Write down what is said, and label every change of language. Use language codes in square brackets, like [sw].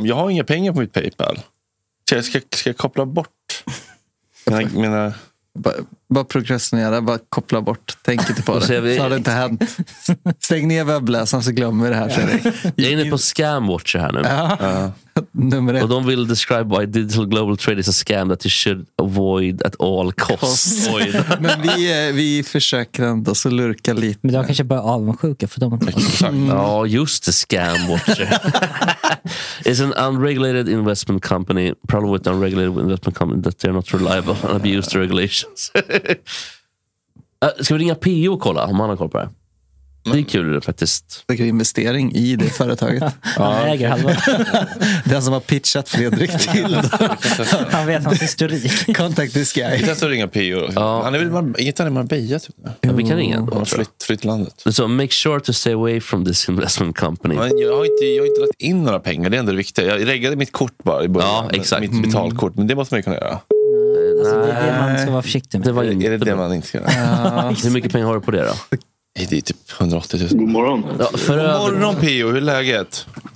[sv] Jag har inga pengar på mitt PayPal. Så jag ska jag koppla bort mina... Bara prokrastinera, bara koppla bort. Tänk inte på det. Så har det inte hänt. Stäng ner webbläsaren så glömmer vi det här. Ja. Jag är inne på Scamwatcher här nu. Ja. Nummer ett. Och de vill [en] describe why digital global trade is a scam that you should avoid at all costs. Men vi försöker ändå så lurka lite. Men de kanske bara avundsjuka för de har [sv] inte ja, just det, [en] Scamwatcher. It's an unregulated investment company. Problem with unregulated investment company that they're not reliable and abuse the regulations. [sv] ska vi ringa PO och kolla om han har koll på det? Men, det är kul faktiskt. Det är investering i det företaget. Ja, han äger halva. Den som har pitchat Fredrik till. Han vet hans historik. [en] Contact this guy. [sv] Vi testar att ringa PO. Ja. Han är väl inte i Marbella typ. Ja, vi kan ringa. Han har flytt landet. [en] So make sure to stay away from this investment company. [sv] Men jag har inte lagt in några pengar. Det är ändå viktigt. Jag reggade mitt kort bara i början. Ja, exakt. Mitt betalkort. Men det måste man ju kunna göra. Det är det man ska vara försiktig med. Det man inte ska göra. Hur mycket pengar har du på det då? Det är typ 180 000. God morgon. Ja, God morgon PO, hur är läget?